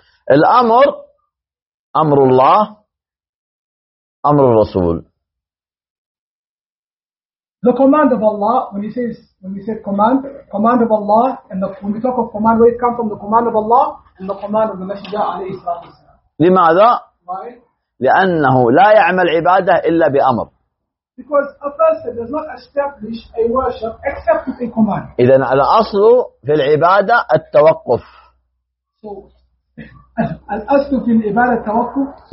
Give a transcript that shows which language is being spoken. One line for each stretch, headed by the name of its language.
Arabic: Al-amr, amrullah, amr al-rasul.
English: The command of Allah, when we say command, command of Allah, and when we talk of command, where it comes from, the command of Allah and the command of the Messenger alayhi salam.
Arabic: لماذا؟
English: Why?
Arabic: لأنه لا يعمل عبادة إلا بأمر.
English: Because a person does not establish a worship except with a command.
Arabic: إذن على أصله في العبادة التوقف.
English: So,
Arabic: الأصل في العبادة التوقف.